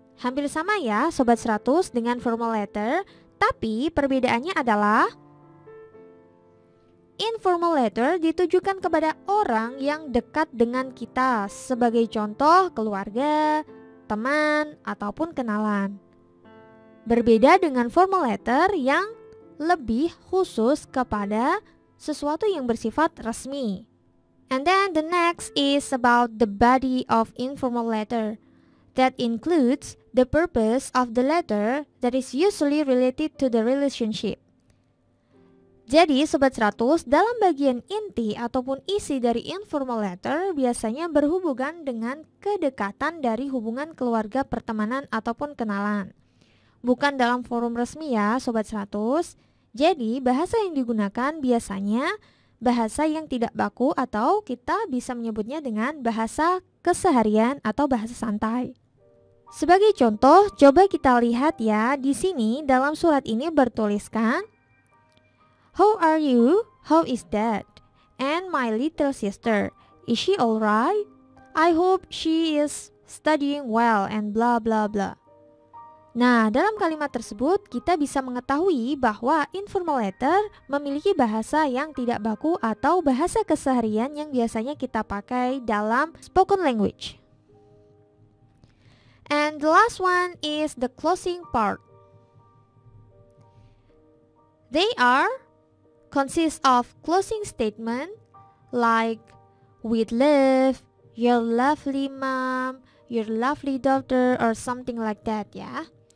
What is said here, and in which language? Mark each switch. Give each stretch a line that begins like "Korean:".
Indonesian: Hampir sama ya, Sobat 100, dengan formal letter, tapi perbedaannya adalah informal letter ditujukan kepada orang yang dekat dengan kita, sebagai contoh keluarga, teman, ataupun kenalan. Berbeda dengan formal letter yang lebih khusus kepada sesuatu yang bersifat resmi.
English: And then the next is about the body of informal letter. That includes the purpose of the letter that is usually related to the relationship.
Indonesian: Jadi, Sobat 100, dalam bagian inti ataupun isi dari informal letter biasanya berhubungan dengan kedekatan dari hubungan keluarga, pertemanan, ataupun kenalan. Bukan dalam forum resmi ya, Sobat 100. Jadi, bahasa yang digunakan biasanya bahasa yang tidak baku atau kita bisa menyebutnya dengan bahasa keseharian atau bahasa santai. Sebagai contoh, coba kita lihat ya, di sini dalam surat ini bertuliskan,
English: "How are you? How is that? and my little sister. Is she all right? I hope she is studying well and blah blah blah.
Indonesian: Nah, dalam kalimat tersebut kita bisa mengetahui bahwa informal letter memiliki bahasa yang tidak baku atau bahasa keseharian yang biasanya kita pakai dalam spoken language.
English: And the last one is the closing part. They are consists of closing statement like we'd love, your lovely mom, your lovely daughter, or something like that, yeah.